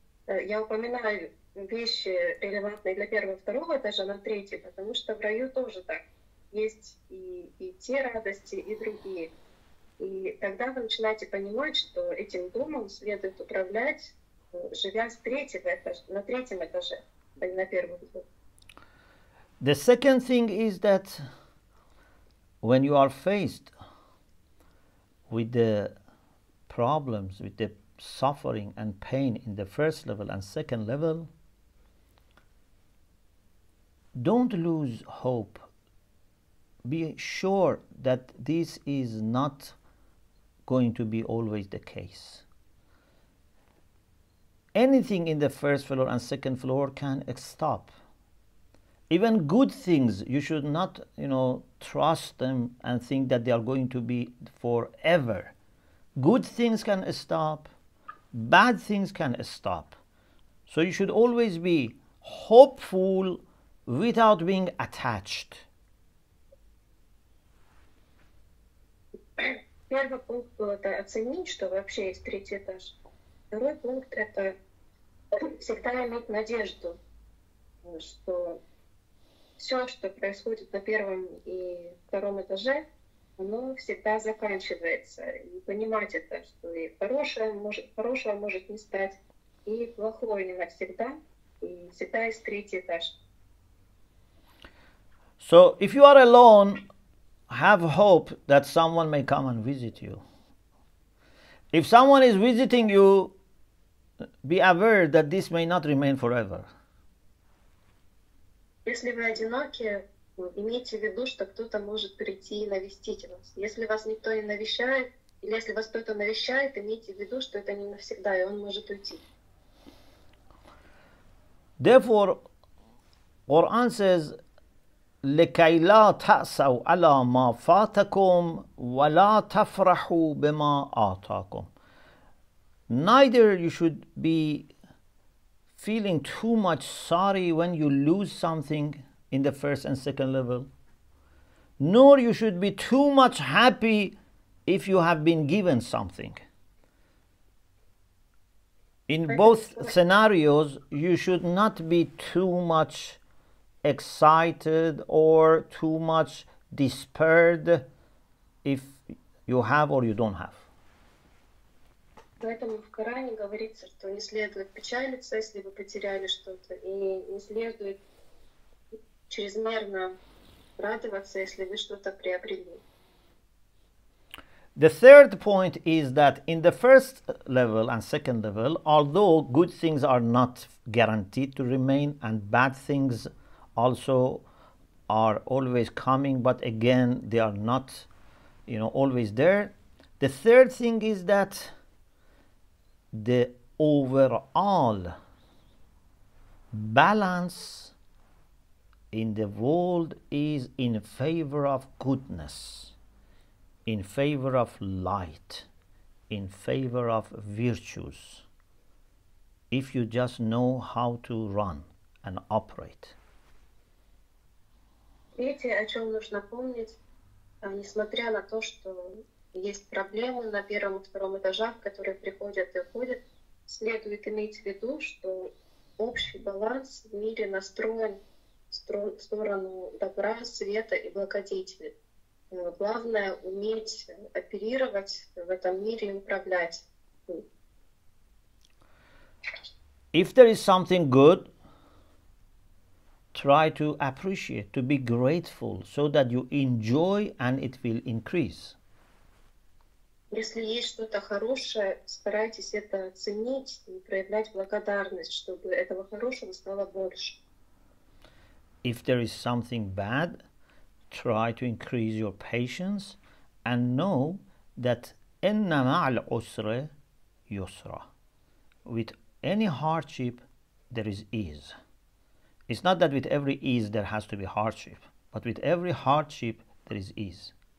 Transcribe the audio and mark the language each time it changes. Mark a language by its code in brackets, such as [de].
[ru] Я упоминаю вещи, релевантные для первого и второго этажа, на третий, потому что в раю тоже так. Есть и те радости, и другие. И тогда вы начинаете понимать, что этим домом следует управлять, живя с третьего этажа, на третьем этаже, а не на первом этаже. [en] The second thing is that when you are faced with the problems, with the suffering and pain in the first level and second level, don't lose hope. Be sure that this is not going to be always the case. Anything in the first floor and second floor can stop. Even good things, you should not, you know, trust them and think that they are going to be forever. Good things can stop. Bad things can stop. So you should always be hopeful without being attached. [ru] Первый пункт был это оценить, что вообще есть третий этаж. Второй пункт — это всегда иметь надежду, что все, что происходит на первом и втором этаже, оно всегда заканчивается. И понимать это, что и хорошее может не стать, и плохое не навсегда, и всегда есть третий этаж. [en] So, if you are alone, have hope that someone may come and visit you. If someone is visiting you, be aware that this may not remain forever. [ru] Если вы одиноки, имейте в виду, что кто-то может прийти и навестить вас. Если вас никто не навещает, или если вас кто-то навещает, имейте в виду, что это не навсегда, и он может уйти. [en] Therefore, Quran says, [ar] لكي لا تأسوا على ما فاتكم ولا تفرحوا بما آتاكم. [en] Neither you should be feeling too much sorry when you lose something in the first and second level, nor you should be too much happy if you have been given something. In both scenarios, you should not be too much excited or too much despaired if you have or you don't have. [ru] Поэтому в Коране говорится, что не следует печалиться, если вы потеряли что-то, и не следует чрезмерно радоваться, если вы что-то приобрели. [en] The third point is that in the first level and second level, although good things are not guaranteed to remain and bad things also are always coming, but again, they are not, you know, always there. The third thing is that the overall balance in the world is in favor of goodness, in favor of light, in favor of virtues, if you just know how to run and operate. [ru] Третье, о чем нужно помнить, несмотря на то, что есть проблемы на первом и втором этажах, которые приходят и уходят, следует иметь в виду, что общий баланс в мире настроен в сторону добра, света и благодетели. Главное — уметь оперировать в этом мире и управлять. [en] If there is something good, try to appreciate, to be grateful, so that you enjoy and it will increase. [ru] Если есть что-то хорошее, старайтесь это оценить и проявлять благодарность, чтобы этого хорошего стало больше. [en] If there is something bad, try to increase your patience and know that [ar] inna ma'al usri yusra. [en] With any hardship, there is ease. It's not that with every ease there has to be hardship, but with every hardship there is ease.